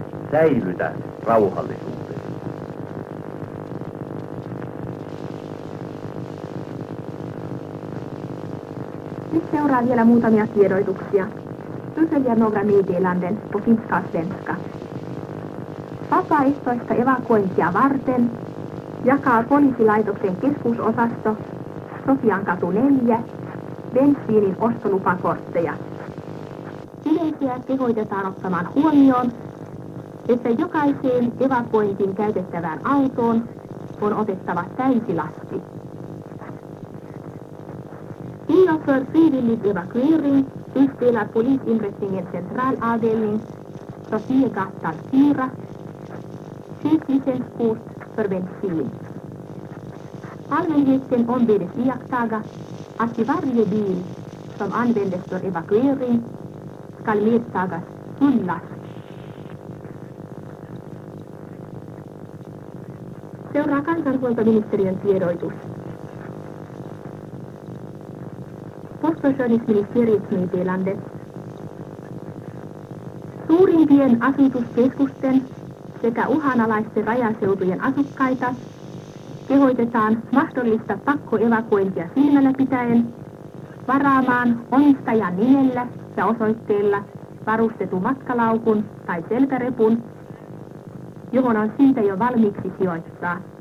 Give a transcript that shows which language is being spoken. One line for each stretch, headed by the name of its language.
Finnish: Säilytä rauhallisuutesi. Nyt seuraa vielä muutamia tiedotuksia.
Swedish: Följa några meddelanden på finska och svenska.
Finnish: Vapaaehtoista evakuointia varten jakaa poliisilaitoksen keskusosasto Sofian katu 4 bensiinin ostolupakortteja. Yleisiä kehoitetaan ottamaan huomioon, että jokaiseen evakuointiin käytettävään autoon on otettava täysilasti.
Swedish: Tio för frivillig evakuering utdelar polisinrättningen centralavdelning Sofiegatan 4 sjuklicenskort för bensin. Allmänheten ombedes iakttaga att i varje bil som användes för evakuering skall medtagas fullast.
Finnish: Seuraa kansanhuoltoministeriön tiedotus.
Swedish: Postförsörjningsministeriet meddelande.
Finnish: Suurimpien asutuskeskusten sekä uhanalaisten rajaseutujen asukkaita kehoitetaan mahdollista pakkoevakuointia silmällä pitäen varaamaan omistajan nimellä ja osoitteella varustetun matkalaukun tai selkärepun, johon on syytä jo valmiiksi sijoittaa.